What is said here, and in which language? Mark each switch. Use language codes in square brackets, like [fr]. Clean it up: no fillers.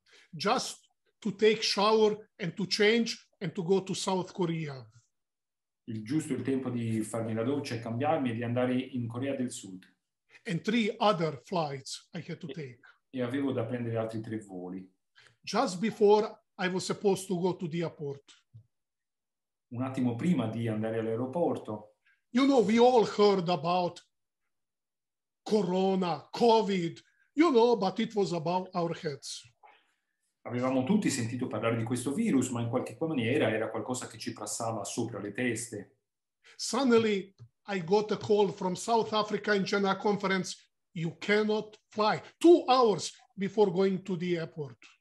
[en] Just to take shower and to change and to go to South Korea. [it] Il giusto il tempo di farmi la doccia e cambiarmi e di andare in Corea del Sud. [en] And 3 other flights I had to take. [it] E avevo da prendere altri 3 voli. [en] Just before I was supposed to go to the airport. [it] Un attimo prima di andare all'aeroporto. [en] You know, we all heard about Corona, COVID, you know, but it was about our heads. [it] Avevamo tutti sentito parlare di questo virus, ma in qualche maniera era qualcosa che ci passava sopra le teste. [en] Suddenly I got a call from South Africa in General Conference. You cannot fly. 2 hours before going to the airport.